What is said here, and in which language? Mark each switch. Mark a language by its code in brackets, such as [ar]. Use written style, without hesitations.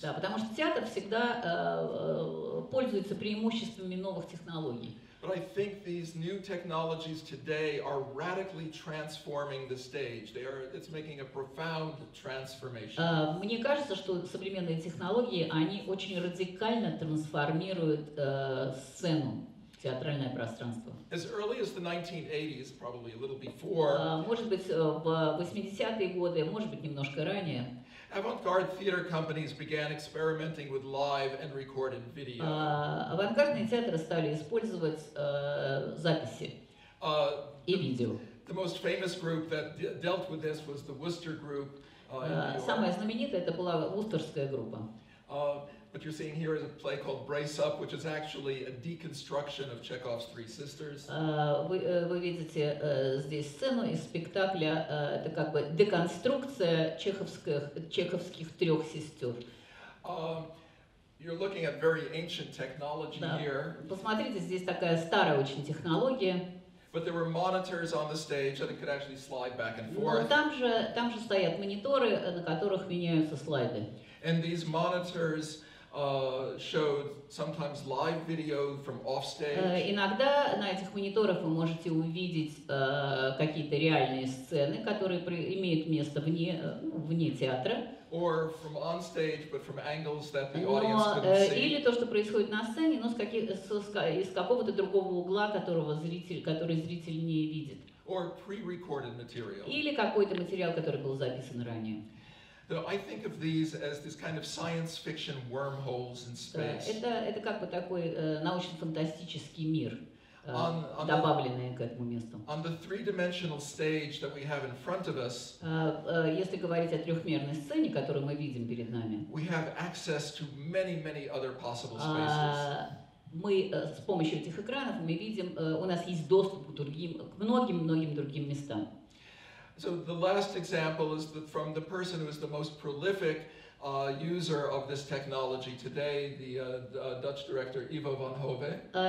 [ru] Да, потому что театр всегда пользуется преимуществами новых технологий. [en] But I think these new technologies today are radically transforming the stage. They are, it's making a profound transformation. [ru] Мне кажется, что современные технологии, они очень радикально трансформируют сцену, театральное пространство. [en] As early as the 1980s, probably a little before. [ru] Может быть, в 80-е годы, может быть, немножко ранее. [en] Авангард театр компании began experimenting with live and recorded video. [ru] Авангардные театры стали использовать записи и видео. [en] The most famous group that dealt with this was the Worcester group. [ru] Самая знаменитая это была Вустерская группа. [en] What you're seeing here is a play called Brace Up, which is actually a deconstruction of Chekhov's Three Sisters. [ru] Вы видите здесь сцену из спектакля, это как бы деконструкция чеховских трех сестер. [en] You're looking at very ancient technology here. [ru] Посмотрите, здесь такая старая очень технология. [en] But there were monitors on the stage that could actually slide back and forth. [ru] Там же стоят мониторы, на которых меняются слайды. [en] And these monitors showed sometimes live video from offstage. [ru] Иногда на этих мониторах вы можете увидеть какие-то реальные сцены, которые имеют место вне театра. [en] Or from onstage, but from angles that the audience couldn't see. [ru] Или то, что происходит на сцене, но из какого-то другого угла, который зритель не видит. [en] Or pre-recorded material. [ru] Или какой-то материал, который был записан ранее. [en] So I think of these as this kind of science fiction wormholes in space. [ru] Это как бы такой научно-фантастический мир, добавленный к этому месту. [en] On the three-dimensional stage that we have in front of us. [ru] Если говорить о трехмерной сцене, которую мы видим перед нами. [en] We have access to many, many other possible spaces. [ru] Мы с помощью этих экранов мы видим, у нас есть доступ к многим-многим другим местам. [en] So the last example is from the person who is the most prolific user of this technology today, the Dutch director Ivo van Hove.